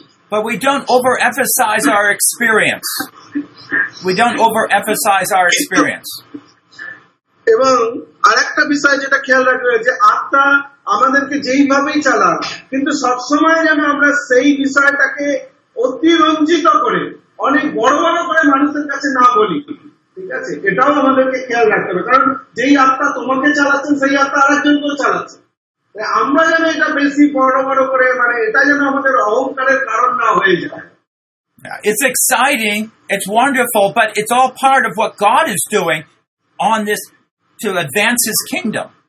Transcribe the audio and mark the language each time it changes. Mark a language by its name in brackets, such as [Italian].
[English] But we don't overemphasize our experience. We don't overemphasize our experience. [Bangla] এবং আরেকটা বিষয় যেটা খেয়াল রাখবে যে আত্মা আমাদেরকে যেইভাবেই চালান, কিন্তু সবসময় যেন আমরা সেই বিষয়টাকে অতিরঞ্জিত করে অনেক বড় বড় করে মানুষের কাছে না বলি, ঠিক আছে? এটাও আমাদেরকে খেয়াল রাখতে হবে, কারণ যেই আত্মা তোমাকে চালাচ্ছেন সেই আত্মা আরেকজনকেও চালাচ্ছে, আমরা যেন এটা বেশি বড় বড় করে, মানে এটা যেন আমাদের অহংকারের কারণ না হয়ে যায়। [English] It's exciting, it's wonderful, but it's all part of what God is doing on this to advance His kingdom.